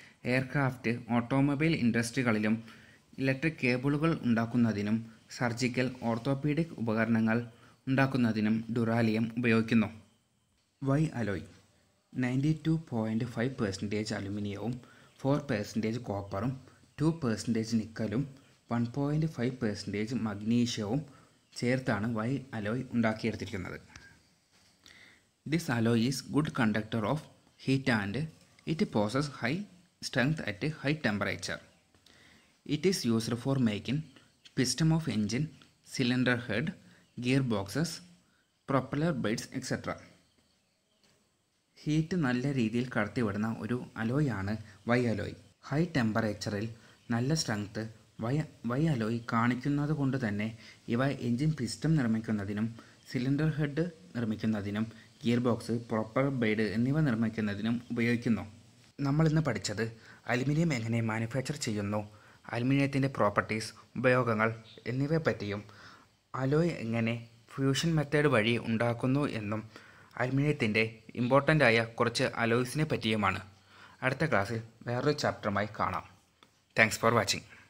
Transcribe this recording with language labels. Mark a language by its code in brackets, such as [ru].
[ml] Aircraft, automobile ഇൻഡസ്ട്രികളിലും electric കേബിളുകൾ ഉണ്ടാക്കുന്നതിനും surgical orthopaedic ഉപകരണങ്ങൾ ഉണ്ടാക്കുന്നതിനും ഡ്യൂറാലിയം ഉപയോഗിക്കുന്നു. Y alloy, 92.5% അലുമിനിയവും 4% കോപ്പറും 2% നിക്കലും 1.5% മഗ്നീഷ്യവും ചേർത്താണ് Y alloy ഉണ്ടാക്കിയെടുത്തിരിക്കുന്നത്. [en] This alloy is good conductor of heat and it possesses high strength at high temperature. It is used for making piston of engine, cylinder head, gearboxes, propeller blades, etc. [ml] Heat നല്ല രീതിയിൽ കടത്തി വിടുന്ന ഒരു alloy ആണ് Y alloy. High temperature നല്ല strength Y alloy കാണിക്കുന്നത് കൊണ്ട് തന്നെ ഇവ engine piston നിർമ്മിക്കുന്നതിനും cylinder head നിർമ്മിക്കുന്നതിനും gearbox, propeller blade എന്നിവ നിർമ്മിക്കുന്നതിനും ഉപയോഗിക്കുന്നു. നമ്മൾ ഇന്ന് പഠിച്ചത് അലുമിനിയം എങ്ങനെ മാനുഫാക്ചർ ചെയ്യുന്നു, അലുമിനിയത്തിൻ്റെ പ്രോപ്പർട്ടീസ്, ഉപയോഗങ്ങൾ എന്നിവയെ പറ്റിയും, അലോയ് എങ്ങനെ ഫ്യൂഷൻ മെത്തേഡ് വഴി ഉണ്ടാക്കുന്നു എന്നും, അലുമിനിയത്തിൻ്റെ ഇമ്പോർട്ടൻ്റ് ആയ കുറച്ച് അലോയ്സിനെ പറ്റിയുമാണ്. അടുത്ത ക്ലാസ്സിൽ വേറൊരു ചാപ്റ്ററുമായി കാണാം. [en] Thanks for watching.